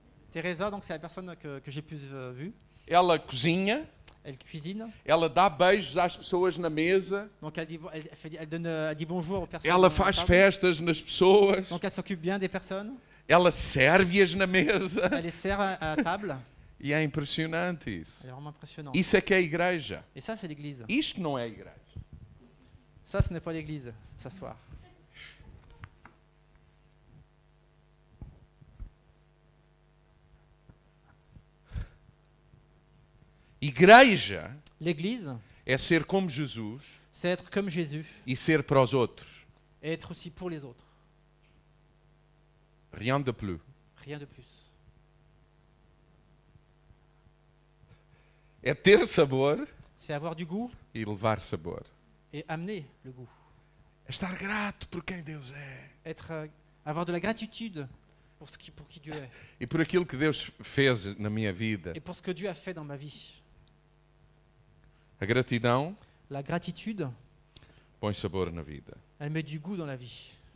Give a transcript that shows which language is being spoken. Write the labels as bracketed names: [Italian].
[French] Teresa, c'est la personne que j'ai plus vu. [Portuguese] Ela cozinha. [French] Elle cuisine. [Portuguese] Ela dá beijos às pessoas na mesa. [French] Donc elle dit bonjour aux personnes. [Portuguese] Ela faz festas nas pessoas. [French] Donc elle s'occupe bien des personnes. [Portuguese] Ela serve-as na mesa. [French] Elle sert à table. [Portuguese] E é impressionante isso. [French] É vraiment impressionnant. [Portuguese] Isso é que é a igreja. [French] Et ça c'est l'église. [Portuguese] Isto não é a igreja. [French] Ça ce n'est pas l'église, s'asseoir. [Portuguese] Igreja. [French] L'église. [Portuguese] É ser como Jesus. [French] C'est être comme Jésus. [Portuguese] E ser para os outros. [French] Et être aussi pour les autres. Rien de plus. Rien de plus. [Portuguese] É ter sabor. [French] C'est avoir du goût. [Portuguese] E levar sabor. [French] Et amener le goût. [Portuguese] Estar grato por quem Deus é. [French] Être avoir de la gratitude pour qui Dieu est. [Portuguese] E por aquilo que Deus fez na minha vida. [French] Et pour ce que Dieu a fait dans ma vie. [Portuguese] A gratidão. [French] La gratitude. [Portuguese] Põe sabor na vida. [French] Elle met du goût dans la vie.